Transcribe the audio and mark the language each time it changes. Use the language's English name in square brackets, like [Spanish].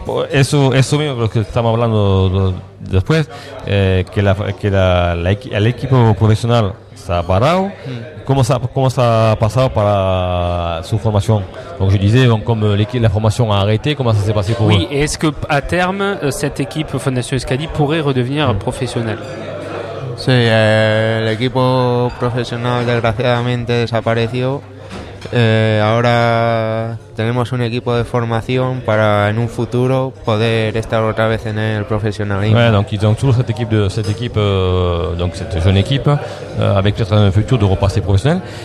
[Spanish] Eso mismo lo que estamos hablando después, que el equipo profesional se ha parado. ¿Cómo se ha pasado para su formación? [French] Donc je disais, donc, comme la formation a arrêté, comment ça s'est passé pour oui, eux? Oui, est-ce que à terme cette équipe Fondation Euskadi pourrait redevenir professionnelle? [Spanish] Sí, el equipo profesional desgraciadamente desapareció. Ahora tenemos un equipo de formación para en un futuro poder estar otra vez en el profesionalismo. [French] Ouais, donc ils ont toujours cette équipe de cette équipe donc cette jeune équipe avec peut-être un futur de repasser professionnel.